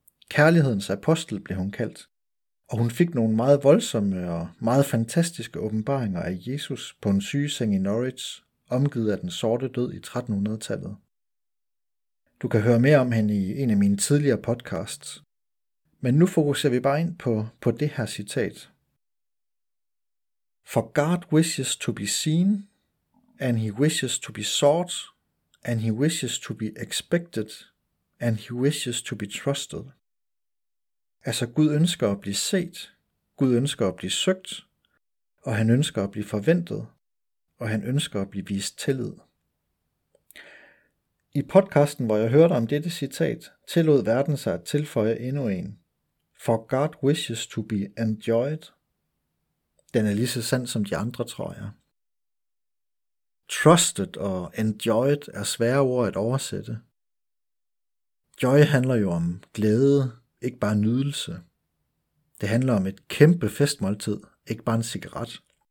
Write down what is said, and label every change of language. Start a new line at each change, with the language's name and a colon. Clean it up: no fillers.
Danish: Kærlighedens apostel blev hun kaldt, og hun fik nogle meget voldsomme og meget fantastiske åbenbaringer af Jesus på en sygeseng i Norwich, omgivet af den sorte død i 1300-tallet. Du kan høre mere om hende i en af mine tidligere podcasts. Men nu fokuserer vi bare ind på det her citat.
English: For God wishes to be seen, and he wishes to be sought, and he wishes to be expected, and he wishes to be trusted.
Danish: Altså Gud ønsker at blive set, Gud ønsker at blive søgt, og han ønsker at blive forventet, og han ønsker at blive vist tillid. I podcasten, hvor jeg hørte om dette citat, tillod verden sig at tilføje endnu en.
English: For God wishes to be enjoyed.
Danish: Den er lige så sand som de andre, tror jeg. Trusted og enjoyed er svære ord at oversætte. Joy handler jo om glæde, ikke bare nydelse. Det handler om et kæmpe festmåltid, ikke bare en cigaret.